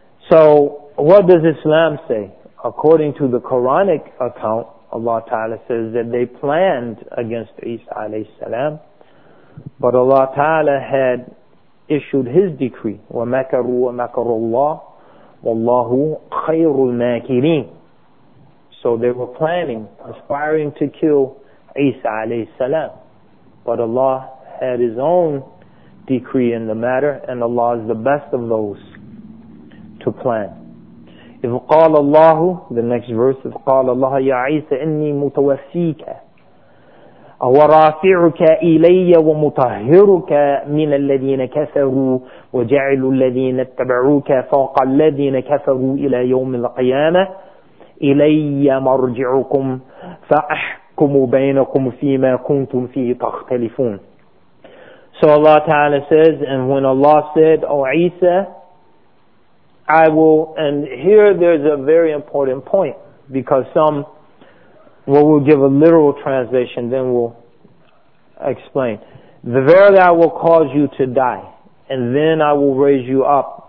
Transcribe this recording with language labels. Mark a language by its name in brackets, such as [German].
[English] So what does Islam say? According to the Quranic account, Allah Ta'ala says that they planned against Isa alayhi salam, but Allah Ta'ala had issued his decree, [Arabic] وَمَكَرُوا وَمَكَرُوا اللَّهُ وَاللَّهُ خَيْرُ الْمَاكِرِينَ. [English] So they were planning, aspiring to kill Isa alayhi salam, but Allah had his own decree in the matter, and Allah is the best of those to plan. [Arabic] إِذْ قَالَ اللَّهُ, [English] the next verse, [Arabic] إِذْ قَالَ اللَّهُ يَا عِيسَى إِنِّي مُتَوَفِّيكَ ورافعك إلي ومطهرك من الذين كفروا وجعل الذين اتبعوك فوق الذين كفروا إلى يوم القيامة إلي مرجعكم فأحكم بينكم فيما كنتم فيه تختلفون. [English] So Allah Ta'ala says, and when Allah said, O Isa, I will, and here there's a very important point, because some, well, we'll give a literal translation, then we'll explain. Verily I will cause you to die, and then I will raise you up.